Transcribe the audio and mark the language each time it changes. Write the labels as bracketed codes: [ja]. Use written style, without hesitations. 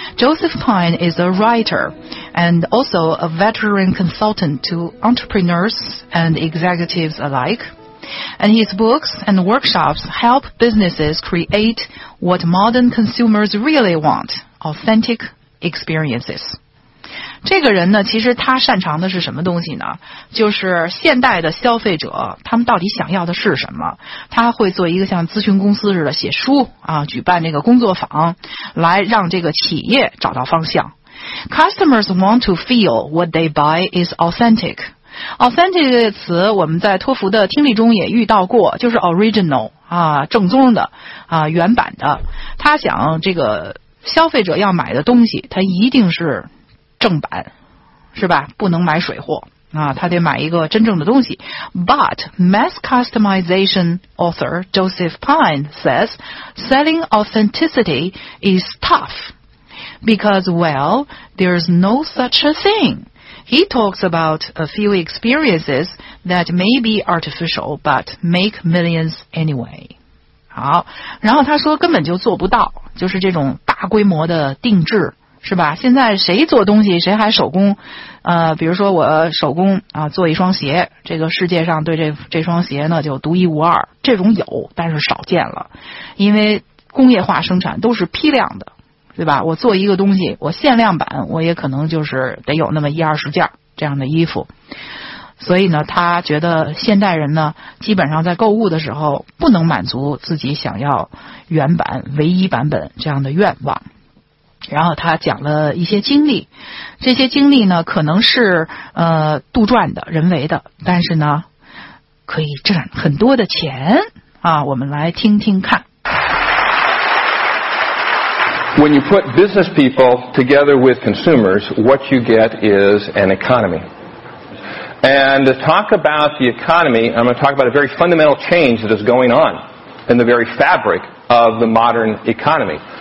[en] Joseph Pine is a writer and also a veteran consultant to entrepreneurs and executives alike, and his books and workshops help businesses create what modern consumers really want, authentic experiences。 [zh] 这个人呢其实他擅长的是什么东西呢，就是现代的消费者他们到底想要的是什么。他会做一个像咨询公司似的写书啊，举办这个工作坊来让这个企业找到方向。 [en] Customers want to feel what they buy is authentic。 [zh] authentic 这个词我们在托福的听力中也遇到过，就是 original 啊，正宗的啊，原版的。他想这个消费者要买的东西它一定是正版，是吧，不能买水货啊，他得买一个真正的东西。 [en] But mass customization author Joseph Pine says selling authenticity is tough because, well, there's no such a thing. He talks about a few experiences that may be artificial but make millions anyway。 [zh] 好，然后他说根本就做不到，就是这种大规模的定制，是吧，现在谁做东西谁还手工，比如说我手工啊做一双鞋，这个世界上对这双鞋呢就独一无二，这种有但是少见了，因为工业化生产都是批量的，对吧，我做一个东西我限量版我也可能就是得有那么一二十件这样的衣服。所以呢他觉得现代人呢基本上在购物的时候不能满足自己想要原版唯一版本这样的愿望。然后他讲了一些经历，这些经历呢可能是杜撰的人为的，但是呢可以赚很多的钱啊，我们来听听看。 [en] When you put business people together with consumers, what you get is an economy. And to talk about the economy, I'm going to talk about a very fundamental change that is going on in the very fabric of the modern economy.